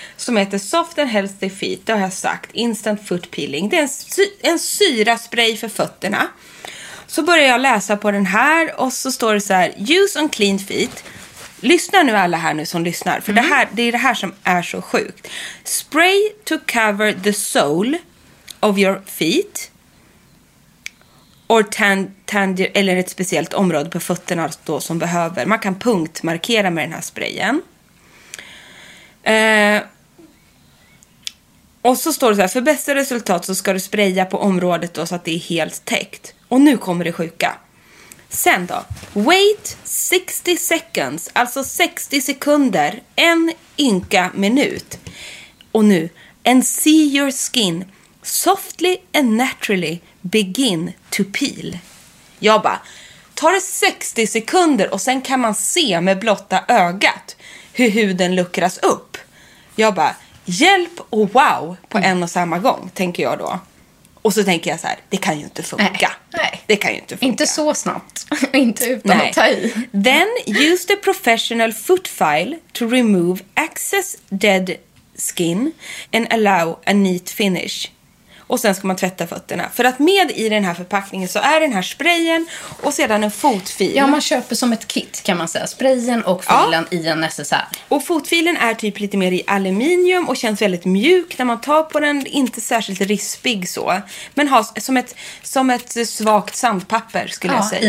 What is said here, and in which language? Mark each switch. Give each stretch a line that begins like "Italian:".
Swedish: Som heter Soft and Healthy Feet, det har jag sagt. Instant Foot Peeling. Det är en syraspray för fötterna. Så börjar jag läsa på den här. Och så står det så här,
English: Use on clean feet.
Swedish: Lyssna nu alla här nu som lyssnar. För det är det här som är så sjukt.
English: Spray to cover the sole of your feet. Or
Swedish: eller ett speciellt område på fötterna då som behöver. Man kan punktmarkera med den här sprayen. Och så står det så här, för bästa resultat så ska du spraya på området då så att det är helt täckt. Och nu kommer det sjuka. Sen då,
English: wait 60 seconds,
Swedish: alltså 60 sekunder, en ynka minut. Och nu,
English: and see your skin softly and naturally begin to peel.
Swedish: Jag bara, tar det 60 sekunder och sen kan man se med blotta ögat hur huden luckras upp. Jag bara, hjälp och wow på en och samma gång, tänker jag då. Och så tänker jag så här, det kan ju inte funka. Nej. Det kan ju inte funka. Inte så snabbt. Inte utan Nej. Att ta i.
English: Then use the professional foot file to remove excess dead skin and allow a neat finish.
Swedish: Och sen ska man tvätta fötterna. För att med i den här förpackningen så är den här sprayen och sedan en fotfil. Ja, man köper som ett kit kan man säga. Sprayen och filen i en necessär. Och fotfilen är typ lite mer i aluminium och känns väldigt mjuk när man tar på den. Inte särskilt rispig så. Men har som ett svagt sandpapper skulle jag säga.